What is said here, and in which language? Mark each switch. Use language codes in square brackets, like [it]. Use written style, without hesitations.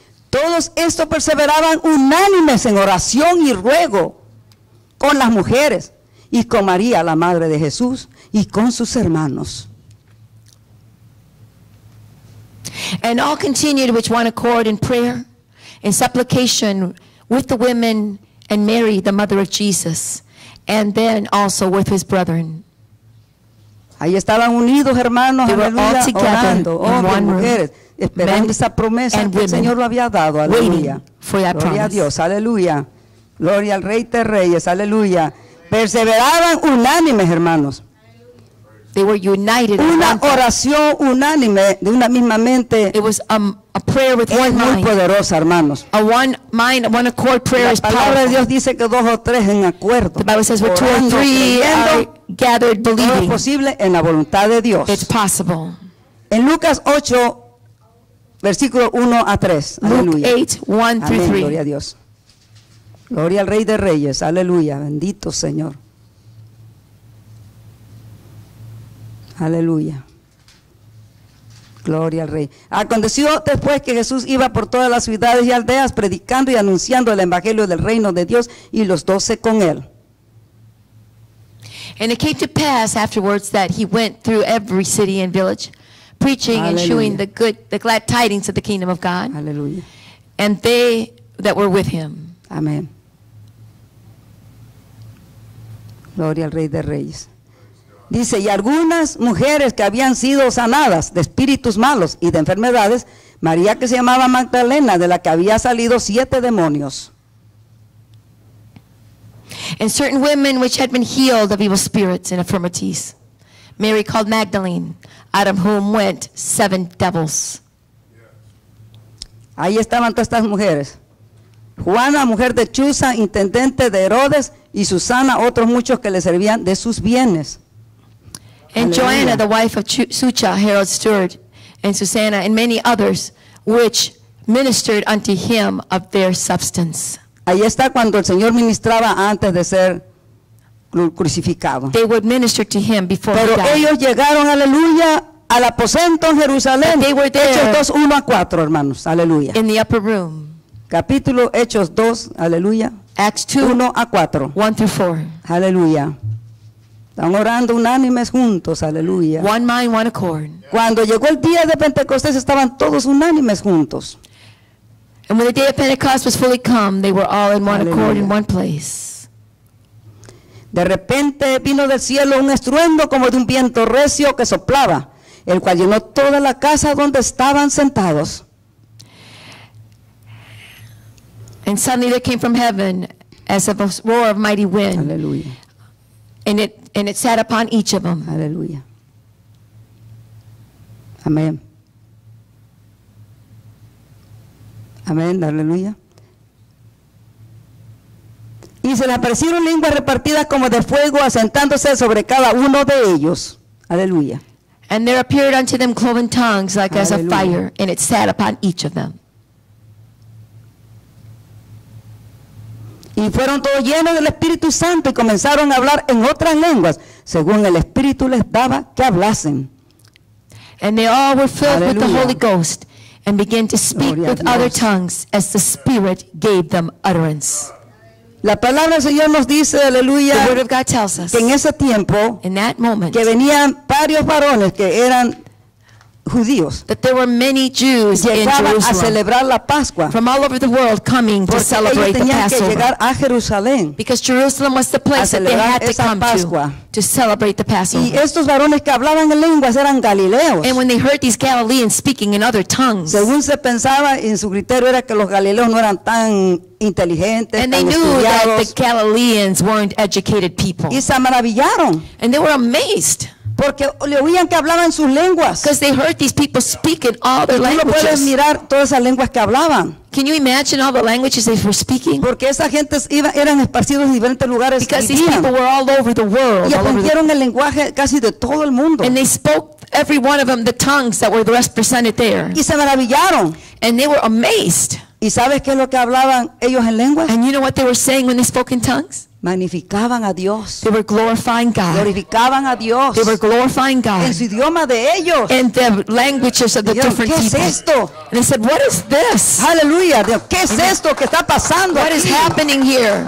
[es] Todos estos perseveraban unánimes en oración y ruego con las mujeres y con María, la madre de Jesús, y con sus hermanos. [en] And all continued with one accord in prayer and supplication with the women and Mary, the mother of Jesus, and then also with his brethren. [es] Ahí estaban unidos, hermanos, [en] they were all together [es] orando, [en] in one room, [es] esperando esa promesa [en] and [es] que [en] women, [es] el Señor lo había dado. Aleluya. [en] Waiting for that [es] gloria [en] promise. [es] A Dios, aleluya. Gloria al Rey de Reyes, aleluya. Perseveraban unánimes, hermanos. [en] They were united. [es] Una oración unánime de una misma mente. [en] It was a prayer with one mind. [es] Es muy poderosa, hermanos. [en] A one mind, one accord prayer is powerful. [es] La palabra de Dios dice que dos o tres en acuerdo. [en] The Bible says we're two or three are gathered believing. [es] Todo es posible en la voluntad de Dios. [en] It's possible. [es] En Lucas 8, versículo 1 a 3. Aleluya. [en] Luke 8:1-3. [es] Amén, gloria a Dios. Gloria al Rey de Reyes. Aleluya. Bendito Señor. Aleluya. Gloria al Rey. Aconteció después que Jesús iba por todas las ciudades y aldeas predicando y anunciando el evangelio del reino de Dios y los doce con él. [en] And it came to pass afterwards that he went through every city and village preaching. [es] Aleluya. [en] And shewing the glad tidings of the kingdom of God. [es] Aleluya. [en] And they that were with him. [es] Amén. Gloria al Rey de Reyes. Dice, y algunas mujeres que habían sido sanadas de espíritus malos y de enfermedades, María que se llamaba Magdalena, de la que había salido siete demonios. [en] And certain women which had been healed of evil spirits and infirmities, Mary called Magdalene, out of whom went seven devils. [es] Ahí estaban todas estas mujeres. Juana, mujer de Chuza, intendente de Herodes, y Susana, otros muchos que le servían de sus bienes. [en] And [es] aleluya. [en] Joanna, the wife of Sucha, Herod's steward, and Susanna, and many others, which ministered unto him of their substance. [es] Ahí está cuando el Señor ministraba antes de ser crucificado. [en] They would minister to him before [es] pero [en] he died. [es] Pero ellos llegaron, aleluya, al aposento en Jerusalén. [en] They were there. [es] Hechos 2, 1 a 4, hermanos, aleluya. [en] In the upper room. [es] Capítulo Hechos 2, aleluya. [en] Acts 2, [es] 1 a 4. [en] 1 through 4. [es] Aleluya. Están orando unánimes juntos, aleluya. [en] One mind, one accord. [es] Cuando llegó el día de Pentecostés, estaban todos unánimes juntos. [en] And when the day of Pentecost was fully come, they were all in one [es] aleluya. [en] Accord in one place. [es] De repente vino del cielo un estruendo como de un viento recio que soplaba, el cual llenó toda la casa donde estaban sentados. [en] And suddenly there came from heaven as of a roar of mighty wind. [es] Aleluya. [en] And it sat upon each of them. [es] Aleluya. Amén. Amén, aleluya. Y se les aparecieron lenguas repartidas como de fuego, asentándose sobre cada uno de ellos. Aleluya. [en] And there appeared unto them cloven tongues like as a fire, and it sat upon each of them. [es] Y fueron todos llenos del Espíritu Santo y comenzaron a hablar en otras lenguas, según el Espíritu les daba que hablasen. [en] And they all were filled with the Holy Ghost and began to speak with other tongues as the Spirit gave them utterance. [es] La palabra del Señor nos dice, aleluya, [en] the word of God tells us, [es] que en ese tiempo, [en] in that moment, [es] que venían varios varones que eran judíos, [en] that there were many Jews [es] llegaban [en] in Jerusalem, [es] a celebrar la Pascua, [en] from all over the world coming to celebrate [es] ellos tenían [en] the Passover, [es] que llegar a Jerusalén, [en] because Jerusalem was the place that they had to come [es] Pascua. [en] To celebrate the Passover. [es] Y estos varones que hablaban en lenguas eran galileos. [en] And when they heard these Galileans speaking in other tongues, [es] según se pensaba en su criterio era que los galileos no eran tan inteligentes, [en] and they knew [es] estudiados, [en] that the Galileans weren't educated people. [es] Y se maravillaron. [en] And they were amazed. [es] Porque le oían que hablaban sus lenguas. [en] Because they heard these people speak in all their languages. [es] Y tú no puedes mirar todas esas lenguas que hablaban. [en] Can you imagine all the languages they were speaking? [es] Porque esa gente eran esparcidos en diferentes lugares. [en] Because these people were all over the world. [es] Y aprendieron el lenguaje casi de todo el mundo. [en] And they spoke every one of them the tongues that were represented there. [es] Y se maravillaron. [en] And they were amazed. [es] ¿Y sabes qué es lo que hablaban ellos en lenguas? [en] And you know what they were saying when they spoke in tongues? [es] Magnificaban a Dios. [en] They were glorifying God. [es] Glorificaban a Dios. [en] They were glorifying God. [es] En su idioma de ellos. [en] In the languages of the [es] dijeron, [en] different people. [es] ¿Qué es esto? [en] And they said, "What is this?" [es] Aleluya. ¿Qué es esto que está pasando? [en] What [es] aquí? [en] Is happening here?